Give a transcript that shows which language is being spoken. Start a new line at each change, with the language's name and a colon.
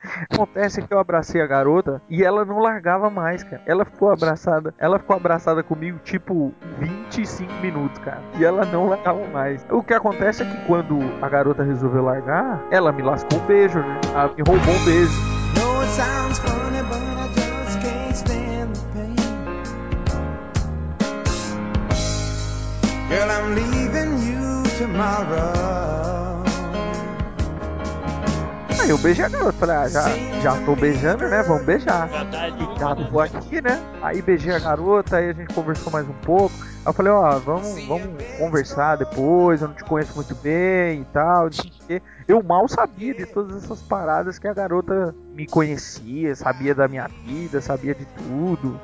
Portuguese: Acontece que eu abracei a garota e ela não largava mais, cara. Ela ficou abraçada comigo tipo 25 minutos, cara. E ela não largava mais. O que acontece é que quando a garota resolveu largar, ela me lascou um beijo, né? Ela me roubou um beijo.
English: Sounds funny, but I just can't stand the pain. Girl, I'm leaving you tomorrow.
Portuguese: Aí eu beijei a garota, falei, ah, já tô beijando, né, vamos beijar. E tá boa aqui, né? Aí beijei a garota, aí a gente conversou mais um pouco. Aí eu falei, ó, vamos conversar depois, eu não te conheço muito bem e tal. Eu mal sabia de todas essas paradas que a garota me conhecia, sabia da minha vida, sabia de tudo.